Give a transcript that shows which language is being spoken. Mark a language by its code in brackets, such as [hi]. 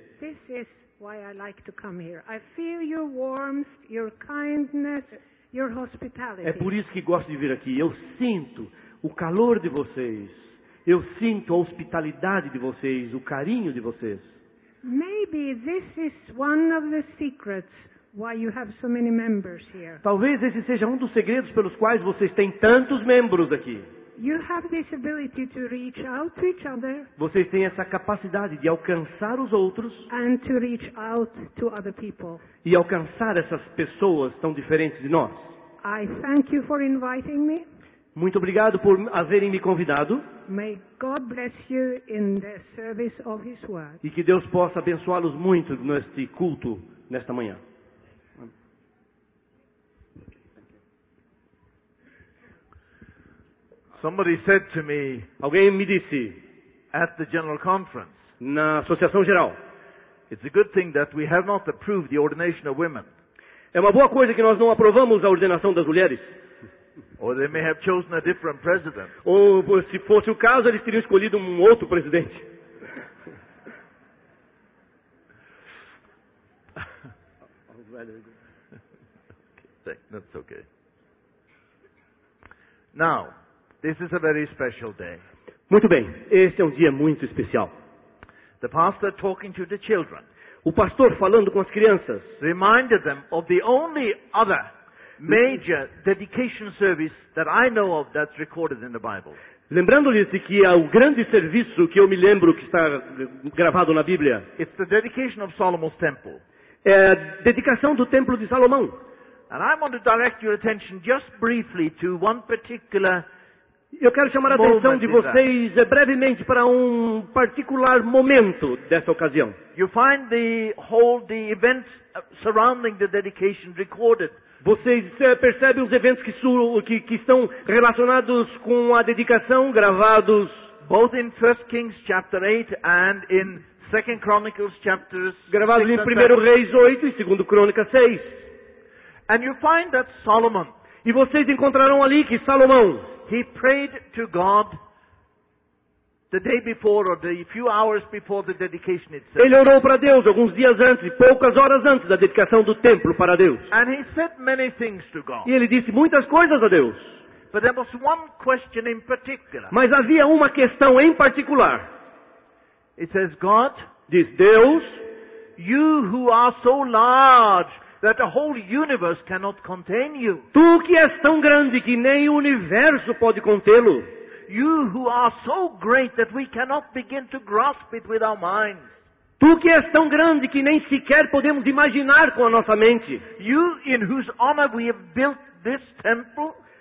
[en] this is why I like to come here. I feel your warmth, your kindness, your hospitality. [pt] É por isso que gosto de vir aqui. Eu sinto o calor de vocês. Eu sinto a hospitalidade de vocês, o carinho de vocês. [en] Maybe this is one of the secrets why you have so many members here. [pt] Talvez esse seja um dos segredos pelos quais vocês têm tantos membros aqui. [en] You have this ability to reach out to each other. [pt] Vocês têm essa capacidade de alcançar os outros. [en] And to reach out to other people. [pt] E alcançar essas pessoas tão diferentes de nós. [en] I thank you for inviting me. [pt] Muito obrigado por haverem me convidado. [en] May God bless you in the service of His word. [pt] E que Deus possa abençoá-los muito neste culto, nesta manhã. [en] Somebody said to me, [pt] alguém me disse, [en] at the General Conference, [pt] na Associação Geral, [en] it's a good thing that we have not approved the ordination of women. [pt] É uma boa coisa que nós não aprovamos a ordenação das mulheres. [en] Or they may have chosen a different president. [pt] Ou se fosse o caso, eles teriam escolhido outro presidente. [en] That's okay. Now, this is a very special day. [pt] Muito bem, este é dia muito especial. [en] The pastor talking to the children. [pt] O pastor falando com as crianças. [en] Reminded them of the only other major dedication service that I know of that's recorded in the Bible. [pt] Lembrando-lhes de que é o grande serviço que eu me lembro que está gravado na Bíblia. [en] It's the dedication of Solomon's temple. [pt] É a dedicação do templo de Salomão. [en] And I want to direct your attention just briefly to one particular. [pt] Eu quero chamar a atenção de vocês brevemente para particular momento dessa ocasião. [en] You find the events surrounding the dedication recorded. [pt] Vocês percebem os eventos que estão relacionados com a dedicação gravados [en] both in 1 Kings chapter 8 and in 2 Chronicles chapters. [pt] Gravados em 1 Reis 8 e 2 Crônicas 6. [en] And you find that Solomon. [pt] E vocês encontrarão ali que Salomão, [en] he prayed to God the day before or the few hours before the dedication itself. [pt] Ele orou para Deus alguns dias antes, poucas horas antes da dedicação do templo para Deus. [en] And he said many things to God. [pt] E ele disse muitas coisas a Deus. [en] But there was one question in particular. [pt] Mas havia uma questão em particular. [en] It says, God, [pt] diz Deus, [en] you who are so large that the whole universe cannot contain you. [pt] Tu que és tão grande que nem o universo pode contê-lo. [en] You who are so great that we cannot begin to grasp it with our minds. [pt] Tu que és tão grande que nem sequer podemos imaginar com a nossa mente. [en] You in whose honor we have built this temple.